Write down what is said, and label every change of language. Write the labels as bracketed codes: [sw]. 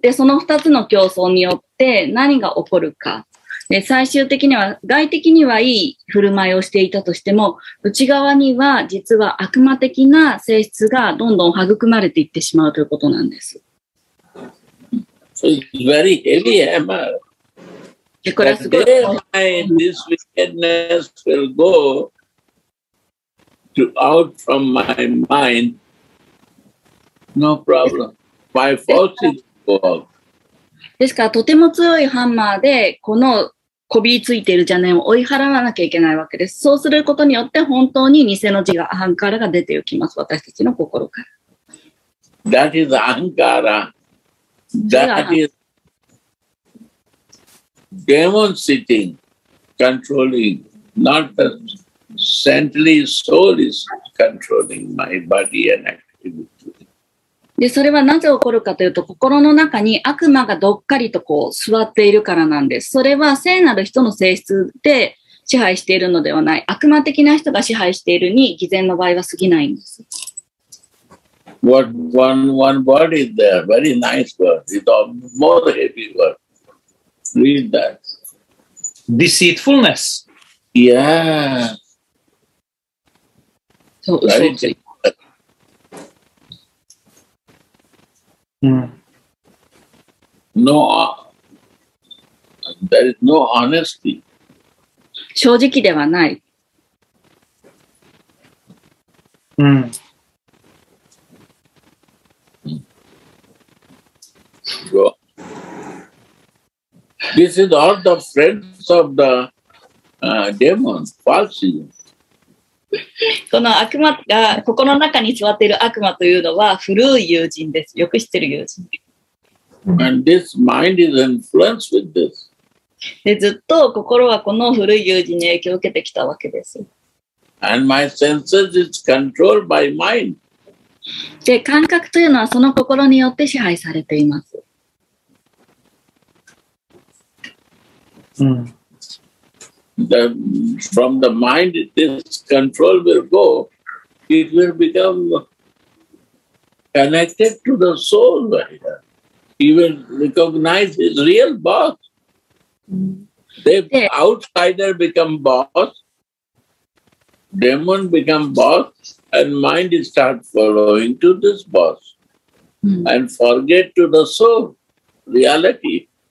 [ja] で、その二つの競争によって何が起こるか。で、最終的には外的にはいい振る舞いをしていたとしても、内側には実は悪魔的な性質がどんどん育まれていってしまうということなんです。 [en] It's very heavy hammer. This wickedness will go to out from my mind. No problem. My fault is gone. [ja] ですから、とても強いハンマーで、このこびりついている邪念を追い払わなきゃいけないわけです。そうすることによって、本当に偽の自我、アハンカラが出てきます。私たちの心から。 [en] That is Ankara. That is. Demon sitting, controlling, not the saintly soul is controlling my body and activity. [ja] で、それはなぜ起こるかというと、心の中に悪魔がどっかりとこう座っているからなんです。それは聖なる人の性質で支配しているのではない。悪魔的な人が支配しているに偽善の場合は過ぎないんです。 [en] What one word is there? Very nice word. It's a more heavy word. Read that. Deceitfulness. Yeah. So, No, there is no honesty. [ja] 正直ではない。 [en] This is all the friends of the demons, false demons. [ja] この悪魔が心の中に座っている悪魔というのは古い友人です。よく知ってる友人。 [en] And this mind is influenced with this. [ja] で、ずっと心はこの古い友人に影響を受けてきたわけです。 [en] And my senses is controlled by mind. [ja] で、感覚というのはその心によって支配されています。 [en] from the mind this control will go, it will become connected to the soul. He will recognize his real boss. The outsider become boss, demon become boss, and mind start following to this boss and forget to the soul, reality.